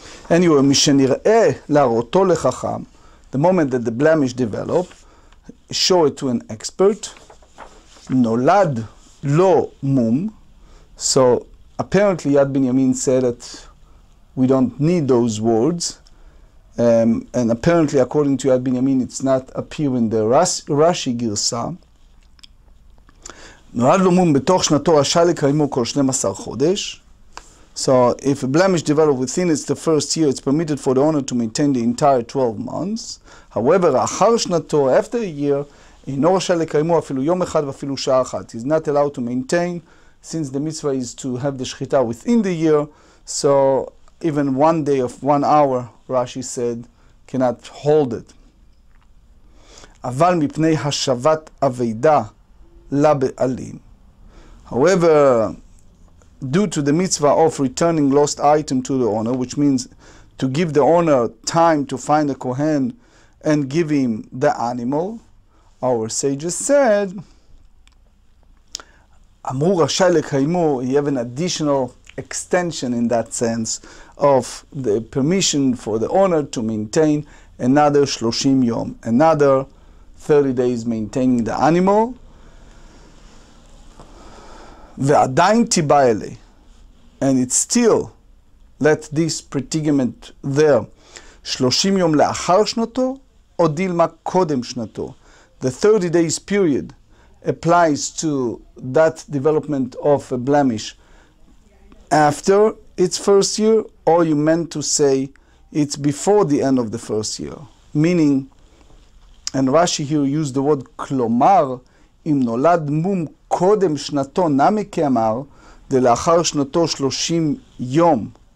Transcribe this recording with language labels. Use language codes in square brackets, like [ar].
[en] Anyway, [he] Mishenir'eh la'arotto le'chacham, [en] the moment that the blemish developed, show it to an expert, [he] nolad lo mum. [en] So apparently Yad Binyamin said that we don't need those words. And apparently, according to Yad Binyamin, it's not appearing in the Rashi Girsa. [he] נולד לו מום בתוך שנתו רשאי לקיימו כל 12 חודש. [en] So if a blemish developed within it's the first year, it's permitted for the owner to maintain the entire 12 months. However, [he] אחר שנתו, [en] after a year, [he] אינו רשאי לקיימו אפילו יום אחד ואפילו שעה אחת. [en] He's not allowed to maintain, since the mitzvah is to have the שחיטה within the year. So even 1 day of 1 hour, Rashi said, cannot hold it. [he] אבל מפני השבת אבידה, לבעלים. [en] However, due to the mitzvah of returning lost item to the owner, which means to give the owner time to find a Kohen and give him the animal, our sages said, [he] אמרו רשאי לקיימו, [en] you have an additional extension in that sense of the permission for the owner to maintain another 30 yom, another 30 days maintaining the animal. [he] ועדיין תיבא אלי, [en] and it still let this predicament there, [he] 30 יום לאחר שנתו, או דילמה קודם שנתו. [en] The 30 days period applies to that development of a blemish after its first year, or you meant to say it's before the end of the first year. Meaning, and Rashi here used the word [he] כלומר, אם נולד מום קודם שנתו נמי כאמר, דלאחר שנתו 30 יום.